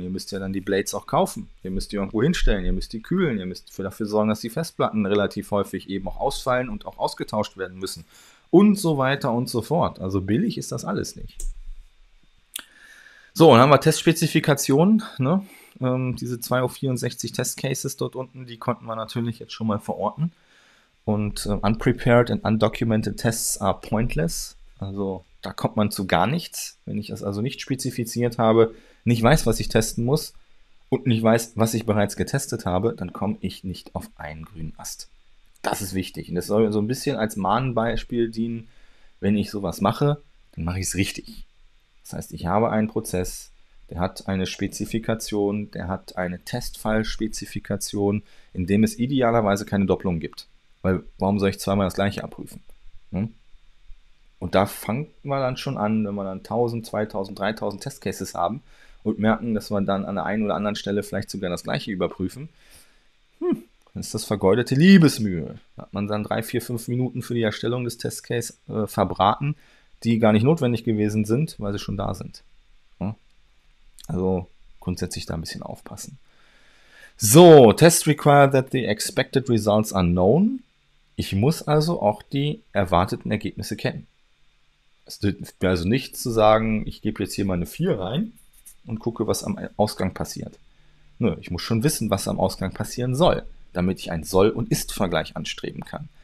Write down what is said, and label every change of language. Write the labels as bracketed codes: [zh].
[de] Ihr müsst ja dann die Blades auch kaufen. Ihr müsst die irgendwo hinstellen, ihr müsst die kühlen, ihr müsst dafür sorgen, dass die Festplatten relativ häufig eben auch ausfallen und auch ausgetauscht werden müssen. Und so weiter und so fort. Also billig ist das alles nicht. So, dann haben wir Testspezifikationen, ne? Diese 2 auf 64 Testcases dort unten, die konnten wir natürlich jetzt schon mal verorten. Und [en] unprepared and undocumented tests are pointless. [de] Also da kommt man zu gar nichts. Wenn ich das also nicht spezifiziert habe, nicht weiß, was ich testen muss und nicht weiß, was ich bereits getestet habe, dann komme ich nicht auf einen grünen Ast. Das ist wichtig. Und das soll so ein bisschen als Mahnbeispiel dienen, wenn ich sowas mache, dann mache ich es richtig. Das heißt, ich habe einen Prozess, der hat eine Spezifikation, der hat eine Testfallspezifikation, in dem es idealerweise keine Doppelung gibt. Weil warum soll ich zweimal das gleiche abprüfen? Und da fangen wir dann schon an, wenn wir dann 1000, 2000, 3000 Testcases haben und merken, dass wir dann an der einen oder anderen Stelle vielleicht sogar das gleiche überprüfen. Dann ist das vergeudete Liebesmühe. Da hat man dann 3, 4, 5 Minuten für die Erstellung des Testcases verbraten, die gar nicht notwendig gewesen sind, weil sie schon da sind. Also grundsätzlich da ein bisschen aufpassen. [en] So, Test require that the expected results are known. [de] Ich muss also auch die erwarteten Ergebnisse kennen. Es wäre also nicht zu sagen, ich gebe jetzt hier meine 4 rein und gucke, was am Ausgang passiert. Nö, ich muss schon wissen, was am Ausgang passieren soll, damit ich einen Soll- und Ist-Vergleich anstreben kann.